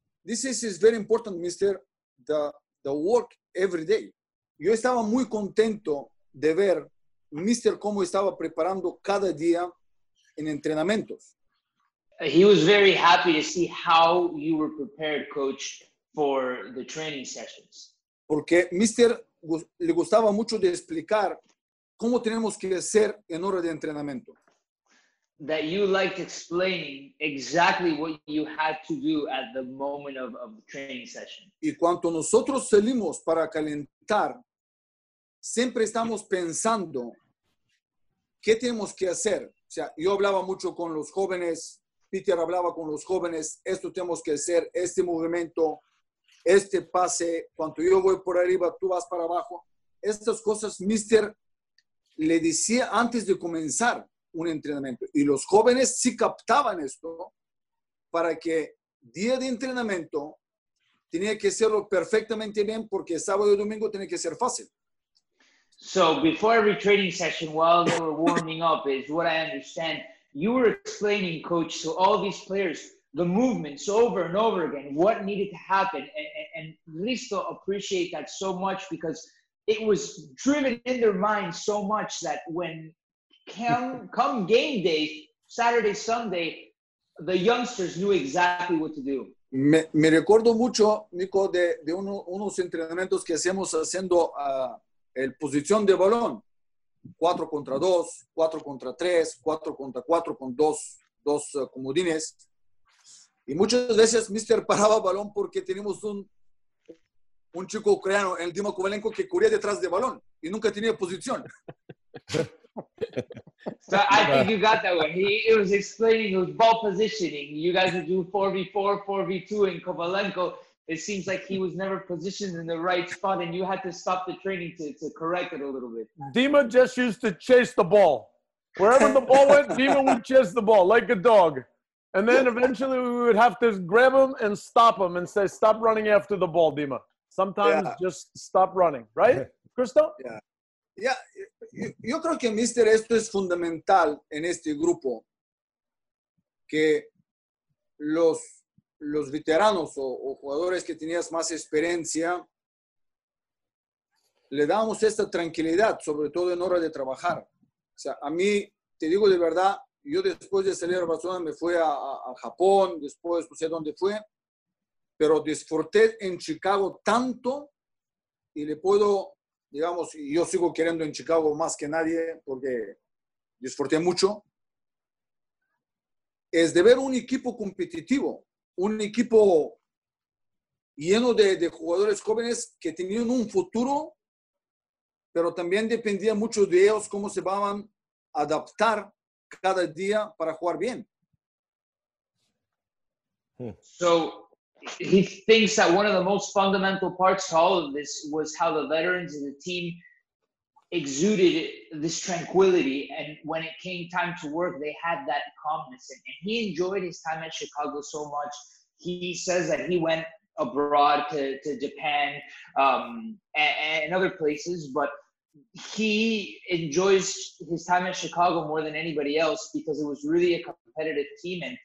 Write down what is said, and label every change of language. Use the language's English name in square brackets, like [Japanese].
[English] This is very important, Mister. The work every day. [Spanish] Yo estaba muy contento de ver Mr. Como estaba preparando cada día en entrenamientos. [English] He was very happy to see how you were prepared, coach, for the training sessions. [Spanish] Porque Mr. le gustaba mucho de explicar cómo tenemos que hacer en hora de entrenamiento. [English] That you liked explaining exactly what you had to do at the moment of the training session. [Spanish] Y cuando nosotros salimos para calentar, siempre estamos pensando qué tenemos que hacer. O sea, yo hablaba mucho con los jóvenes, Peter hablaba con los jóvenes, esto tenemos que hacer, este movimiento, este pase, cuando yo voy por arriba, tú vas para abajo. Estas cosas, Mister, le decía antes de comenzar un entrenamiento. Y los jóvenes sí captaban esto para que día de entrenamiento tenía que hacerlo perfectamente bien porque sábado y domingo tenía que ser fácil. [English] So before every training session, while they were warming up, is what I understand, you were explaining, coach, to all these players, the movements over and over again, what needed to happen. And Risto appreciate that so much because it was driven in their minds so much that when come game day, Saturday, Sunday, the youngsters knew exactly what to do. Me recuerdo mucho, Nico, de unos entrenamientos que hacemos haciendo el posición de balón, 4 contra 2, 4 contra 3, 4 contra 4 con dos comodines. Y muchas veces Mister paraba balón porque teníamos un chico ucraniano, el Dima Kovalenko, que corría detrás de balón y nunca tenía posición. So I think you got that one. He was explaining his ball positioning. You guys would do 4v4, 4v2 in Kovalenko. It seems like he was never positioned in the right spot and you had to stop the training to correct it a little bit. Dima just used to chase the ball. Wherever the ball went, Dima would chase the ball like a dog. And then eventually we would have to grab him and stop him and say, stop running after the ball, Dima. Sometimes just stop running, right, Christo? Yeah. [Spanish] Yo creo que, Mister, esto es fundamental en este grupo. Que los veteranos o jugadores que tenías más experiencia, le damos esta tranquilidad, sobre todo en hora de trabajar. O sea, a mí, te digo de verdad, yo después de salir a Barcelona me fui a Japón, después no sé dónde fue, pero disfruté en Chicago tanto y le puedo, digamos, yo sigo queriendo en Chicago más que nadie porque disfruté mucho, es de ver un equipo competitivo. Un equipo lleno de jugadores jóvenes que tenían un futuro, pero también dependía mucho de ellos cómo se van a adaptar cada día para jugar bien. [English] So, he thinks that one of the most fundamental parts to all of this was how the veterans and the team exuded this tranquility, and when it came time to work, they had that calmness. And he enjoyed his time at Chicago so much. He says that he went abroad to Japan and other places, but he enjoys his time in Chicago more than anybody else because it was really a competitive team.